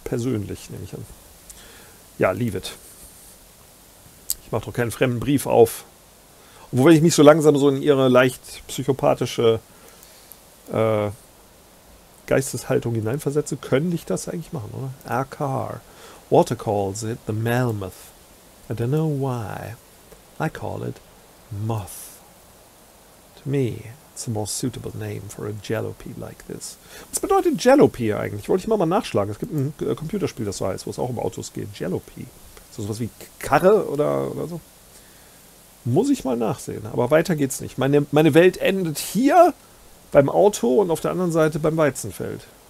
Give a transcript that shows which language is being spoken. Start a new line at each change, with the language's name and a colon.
German: Persönlich, nehme ich an. Ja,
English: leave it.
German: Ich mache doch keinen fremden Brief auf. Obwohl ich mich so langsam so in ihre leicht psychopathische Geisteshaltung hineinversetze, könnte ich das eigentlich machen, oder?
English: A car. Walter calls it the Melmoth. I don't know why. I call it Moth. To me, it's a more suitable name for a Jalopy like this.
German: Was bedeutet Jalopy eigentlich? Wollte ich mal nachschlagen. Es gibt ein Computerspiel, das so heißt, wo es auch um Autos geht. Jalopy. Ist das sowas wie Karre oder so? Muss ich mal nachsehen. Aber weiter geht's nicht. Meine Welt endet hier. Beim Auto und auf der anderen Seite beim Weizenfeld.